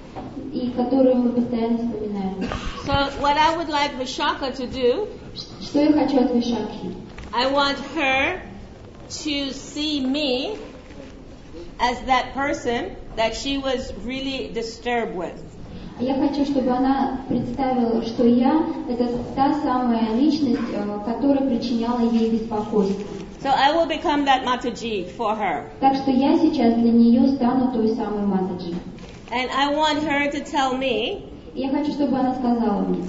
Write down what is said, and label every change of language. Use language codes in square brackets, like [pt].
[en] So what I would like Vishakha to do, I want her to see me as that person that she was really disturbed with. [ru] Я хочу, чтобы она представила, что я — это та самая личность, которая причиняла ей беспокойство. [en] So I will become that Mataji for her. [ru] Так что я сейчас для нее стану той самой Матаджи. [en] And I want her to tell me, [ru] я хочу, чтобы она сказала мне,